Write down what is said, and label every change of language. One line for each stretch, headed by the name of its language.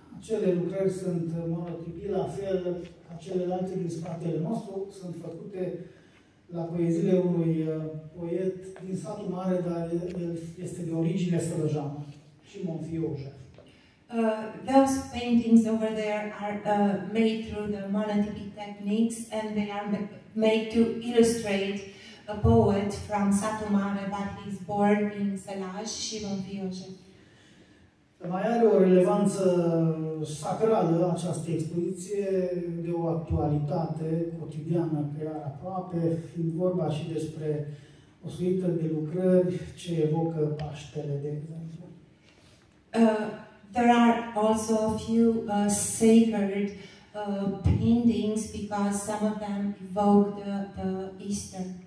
Romanian: A celelalte lucrări sunt monotipi, la fel ca celelalte din spatele nostru, sunt făcute la poeziile unui poet din satul mare, dar el este de origine sălăjană, Simon Fi József.
English: Those paintings over there are made through the monotipi techniques and they are made to illustrate a poet from satul mare, but he is born in Sălaj, Simon Fi József.
Romanian: Mai are o relevanță sacrală această expoziție, de o actualitate cotidiană chiar aproape, fiind vorba și despre o suită de lucrări ce evocă Paștele, de exemplu.
English: There are also a few sacred paintings because some of them evoke the Easter.